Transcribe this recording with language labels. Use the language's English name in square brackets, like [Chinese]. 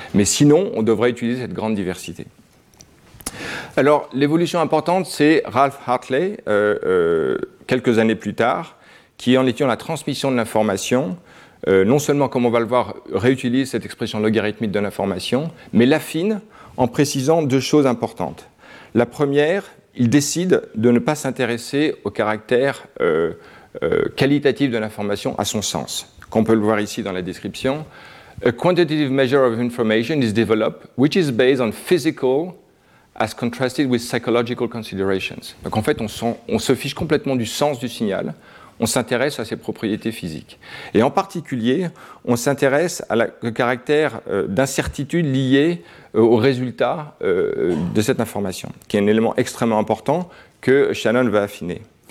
[French] Mais sinon, on devrait utiliser cette grande diversité. Alors, l'évolution importante, c'est Ralph Hartley, quelques années plus tard, qui, en étudiant la transmission de l'information, non seulement, comme on va le voir, réutilise cette expression logarithmique de l'information, mais l'affine en précisant deux choses importantes. La première, il décide de ne pas s'intéresser au caractère qualitatif de l'information à son sens, qu'on peut le voir ici dans la description. [English] A quantitative measure of information is developed, which is based on physical as contrasted with psychological considerations. [French] Donc en fait, on se fiche complètement du sens du signal. On s'intéresse à ses propriétés physiques. Et en particulier, on s'intéresse au caractère d'incertitude lié au résultat de cette information, qui est un élément extrêmement important que Shannon va affiner.